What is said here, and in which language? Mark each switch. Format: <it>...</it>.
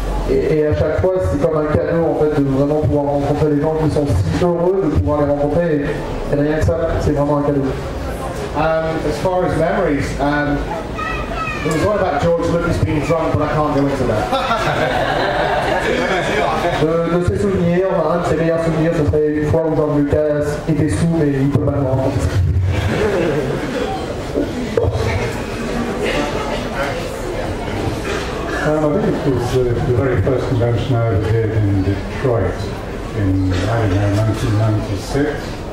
<fr>Et à chaque fois, c'est comme un cadeau en fait de vraiment pouvoir rencontrer des gens qui sont si heureux de pouvoir les rencontrer. Et rien que ça, c'est vraiment un cadeau.</fr> <en>As far as memories, there was one about George Lucas being drunk, but I can't go into that.</en> <fr>De ses souvenirs, un de ses meilleurs souvenirs, ce serait une fois où George Lucas était sous, mais il peut pas le rencontrer.</fr> <en>I think it was the very first convention I ever did in Detroit in, I don't know, 1996.</en>